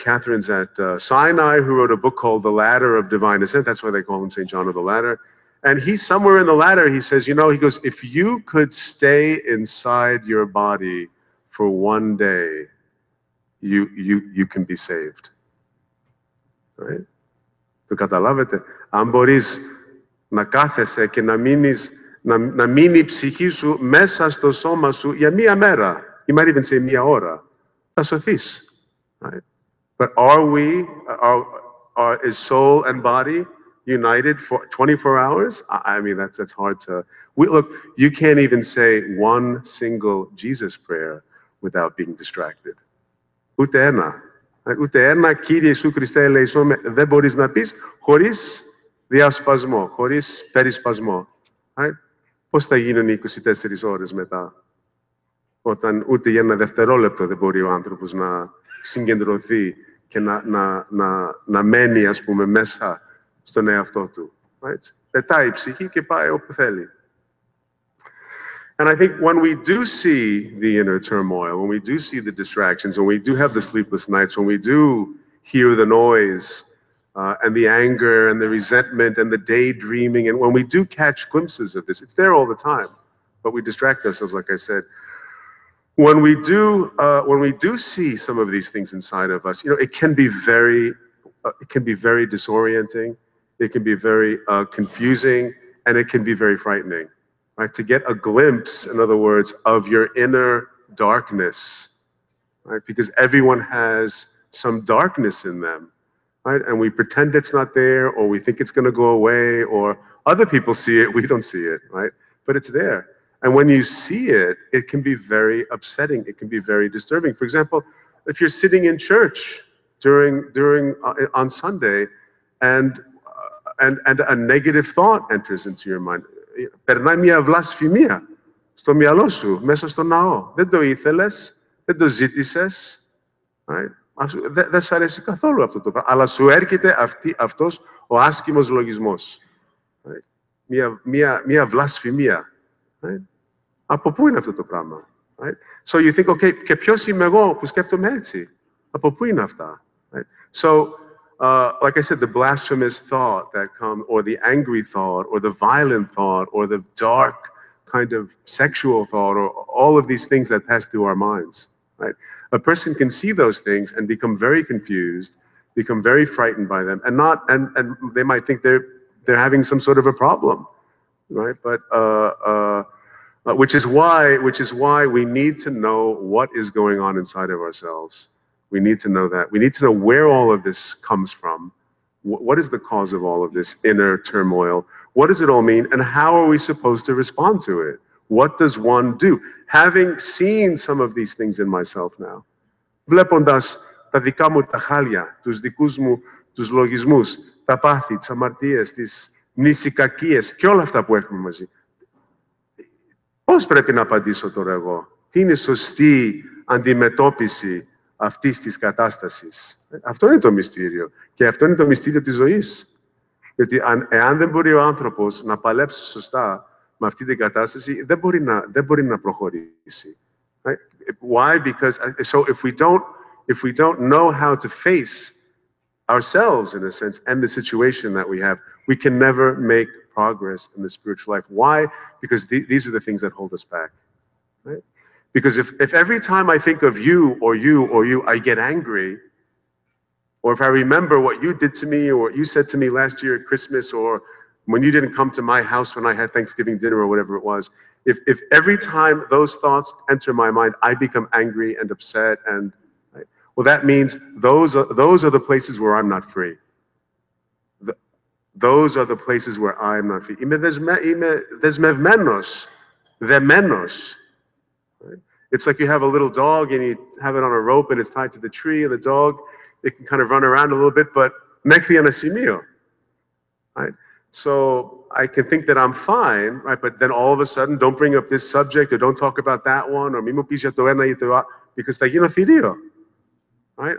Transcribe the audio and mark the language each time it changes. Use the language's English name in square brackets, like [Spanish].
[English] Catherine's at Sinai, who wrote a book called The Ladder of Divine Ascent. That's why they call him St. John of the Ladder. And he's somewhere in the ladder. He says, you know, he goes, if you could stay inside your body for one day, you can be saved. Right? [Greek] Του καταλάβετε. Αν μπορείς να κάθεσαι και να μείνεις, να μείνει η ψυχή σου μέσα στο σώμα σου για μία μέρα. [English] You might even say [Greek] μία ώρα. Θα σωθείς. [English] Right? But are we, is soul and body united for 24 hours? I mean, that's hard to... Look, you can't even say one single Jesus prayer without being distracted. [Greek] Ούτε ένα. Ούτε ένα Κύριε Ιησού Χριστέ ελεησόν με, δεν μπορείς να πεις χωρίς διασπασμό, χωρίς περισπασμό. Πώς θα γίνουν οι 24 ώρες μετά, όταν ούτε για ένα δευτερόλεπτο δεν μπορεί ο άνθρωπος να συγκεντρωθεί και να μένει, ας πούμε, μέσα στον εαυτό του. Πετάει η ψυχή και πάει όπου θέλει. [English] And I think when we do see the inner turmoil, when we do see the distractions, when we do have the sleepless nights, when we do hear the noise and the anger and the resentment and the daydreaming, and when we do catch glimpses of this, it's there all the time, but we distract ourselves, like I said. When we do see some of these things inside of us, you know, it can be very disorienting, it can be very confusing, and it can be very frightening. Right, to get a glimpse, in other words, of your inner darkness, right? Because everyone has some darkness in them, right? And we pretend it's not there, or we think it's going to go away, or other people see it, we don't see it, right? But it's there. And when you see it, it can be very upsetting. It can be very disturbing. For example, if you're sitting in church on Sunday, and a negative thought enters into your mind. [Greek] Περνάει μια βλασφημία στο μυαλό σου, μέσα στο ναό. Δεν το ήθελες, δεν το ζήτησες. [English] Right? [Greek] Δεν σ' αρέσει καθόλου αυτό το πράγμα. Αλλά σου έρχεται αυτός ο άσχημος λογισμός. [English] Right? [Greek] Μια βλασφημία. [English] Right? [Greek] Από πού είναι αυτό το πράγμα? Right? [English] So you think, okay, [Greek] και ποιος είμαι εγώ που σκέφτομαι έτσι? Από πού είναι αυτά? [English] Right? So, like I said, the blasphemous thought that comes, or the angry thought, or the violent thought, or the dark kind of sexual thought, or all of these things that pass through our minds, right? A person can see those things and become very confused, become very frightened by them, and they might think they're having some sort of a problem, right? But which is why we need to know what is going on inside of ourselves. We need to know that. We need to know where all of this comes from. What is the cause of all of this inner turmoil? What does it all mean? And how are we supposed to respond to it? What does one do? Having seen some of these things in myself now, [Greek] βλέποντας τα δικά μου τα χάλια, τους δικούς μου τους λογισμούς, τα πάθη, τις αμαρτίες, τις νησικακίες και όλα αυτά που έχουμε μαζί, πώς πρέπει να απαντήσω τώρα εγώ? Τι είναι σωστή αντιμετώπιση αυτής της κατάστασης? Αυτό είναι το μυστήριο. Και αυτό είναι το μυστήριο της ζωής. Γιατί εάν δεν μπορεί ο άνθρωπος να παλέψει σωστά με αυτή την κατάσταση, δεν μπορεί να προχωρήσει. [English] Why? Because, so if we don't know how to face ourselves, in a sense, and the situation that we have, we can never make progress in the spiritual life. Why? Because these are the things that hold us back. Right? Because if every time I think of you or you or you, I get angry, or if I remember what you did to me or what you said to me last year at Christmas, or when you didn't come to my house when I had Thanksgiving dinner or whatever it was, if every time those thoughts enter my mind, I become angry and upset, and right, well, that means those are the places where I'm not free. Those are the places where I'm not free. [Greek] Είμαι δεσμευμένος, δεμένος. [English] It's like you have a little dog and you have it on a rope and it's tied to the tree, and the dog, it can kind of run around a little bit, but [Greek] μέχρι ένα σημείο. [English] Right? So I can think that I'm fine, right? But then all of a sudden, don't bring up this subject, or don't talk about that one, or [Greek] μη μου πεις για το ένα ή το άλλο, [English] because [Greek] θα γίνω θηρίο. [English] Right?